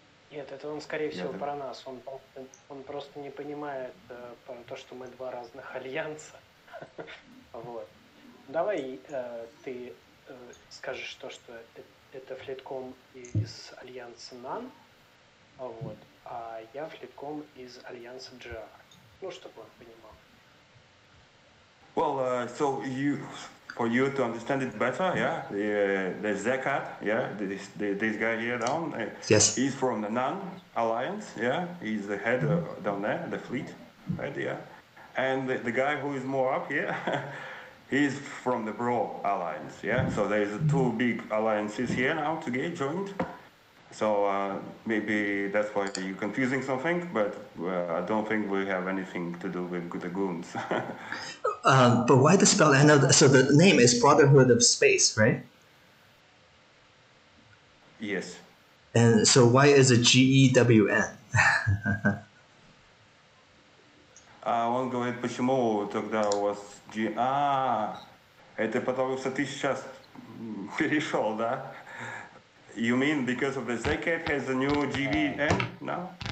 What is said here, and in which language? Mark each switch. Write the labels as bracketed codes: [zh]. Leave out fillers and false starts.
[ru] Нет, это он, скорее всего, про нас. Он просто не понимает то, что мы два разных альянса. Вот. Давай ты скажешь то, что это флитком из альянса НАН, вот, а я флитком из альянса Джар. Ну, чтобы он понимал. [en] Well, so you for you to understand it better, yeah, the Zakat, yeah, this guy here down, yes, he's from the Nan Alliance, yeah, he's the head down there, the fleet, right, yeah, and the guy who is more up here, he's from the Bro Alliance, yeah, so there's two big alliances here now to get joined. So maybe that's why you're confusing something, but I don't think we have anything to do with the goons. But why the spell? So the name is Brotherhood of Space, right? Yes. And so why is it G-E-W-N? I won't go ahead, [ru] почему тогда у вас G... Ah, это потому что ты сейчас перешел, да? [en] You mean because of the Zekat has a new GBN now?